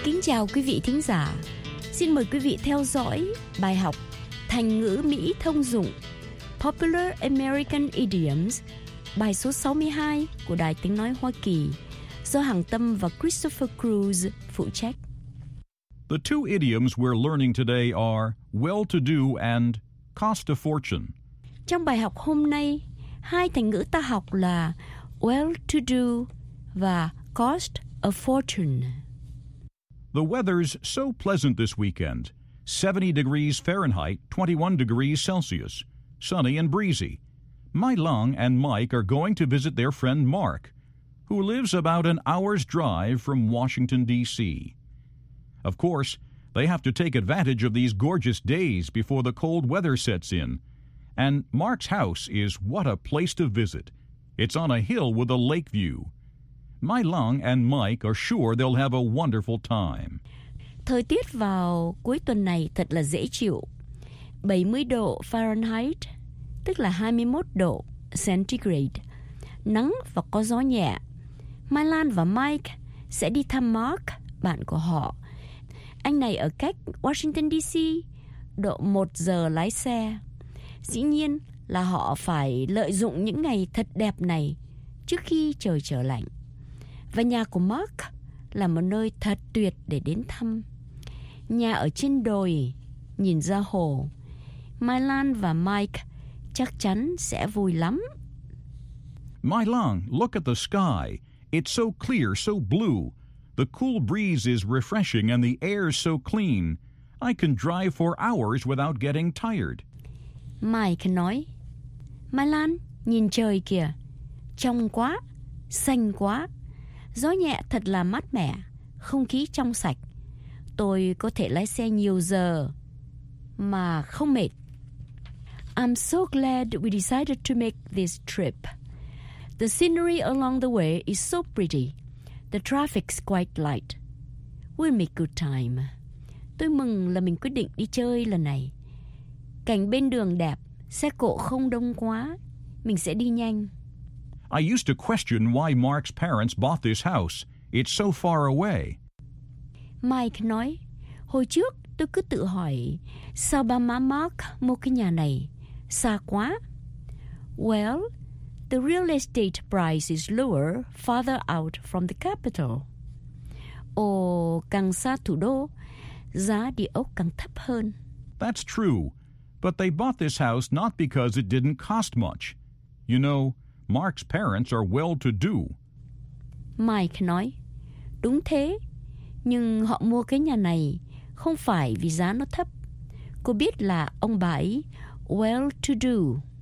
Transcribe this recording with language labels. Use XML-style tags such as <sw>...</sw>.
<vi>Chào quý vị thính giả, xin mời quý vị theo dõi bài học Thành ngữ Mỹ thông dụng Popular American Idioms, bài số 62 của Đài Tiếng Nói Hoa Kỳ, do Hằng Tâm và Christopher Cruz phụ trách.</vi> <en>The two idioms we're learning today are well-to-do and cost a fortune.</en> <vi>Trong bài học hôm nay, hai thành ngữ ta học là well-to-do và cost a fortune.</vi> <en>The weather's so pleasant this weekend. 70 degrees Fahrenheit, 21 degrees Celsius. Sunny and breezy. My Lung and Mike are going to visit their friend Mark, who lives about an hour's drive from Washington, D.C. Of course, they have to take advantage of these gorgeous days before the cold weather sets in. And Mark's house is what a place to visit. It's on a hill with a lake view. My Lung and Mike are sure they'll have a wonderful time.</en> <vi>Thời tiết vào cuối tuần này thật là dễ chịu. 70 độ Fahrenheit, tức là 21 độ Centigrade. Nắng và có gió nhẹ. Mai Lan và Mike sẽ đi thăm Mark, bạn của họ. Anh này ở cách Washington DC, độ 1 giờ lái xe. Dĩ nhiên là họ phải lợi dụng những ngày thật đẹp này trước khi trời trở lạnh. Và nhà của Mark là một nơi thật tuyệt để đến thăm. Nhà ở trên đồi, nhìn ra hồ. Mai Lan và Mike chắc chắn sẽ vui lắm.</vi> <en>Mai Lan, look at the sky. It's so clear, so blue. The cool breeze is refreshing and the air is so clean. I can drive for hours without getting tired.</en> <vi>Mike nói, Mai Lan, nhìn trời kìa. Trong quá, xanh quá. Gió nhẹ thật là mát mẻ, không khí trong sạch. Tôi có thể lái xe nhiều giờ mà không mệt.</vi> <en>I'm so glad we decided to make this trip. The scenery along the way is so pretty. The traffic's quite light. We'll make good time.</en> <vi>Tôi mừng là mình quyết định đi chơi lần này. Cảnh bên đường đẹp, xe cộ không đông quá. Mình sẽ đi nhanh.</vi> <en>I used to question why Mark's parents bought this house. It's so far away.</en> <vi>Mike nói, hồi trước tôi cứ tự hỏi, sao ba má Mark mua cái nhà này? Xa quá.</vi> <en>Well, the real estate price is lower farther out from the capital.</en> <vi>Ồ, càng xa thủ đô, giá địa ốc càng thấp hơn.</vi> <en>That's true, but they bought this house not because it didn't cost much. You know, Mark's parents are well-to-do.</en> <vi>Mike nói, đúng thế, nhưng họ mua cái nhà này không phải vì giá nó thấp. Cô biết là ông bà ấy well-to-do.</vi>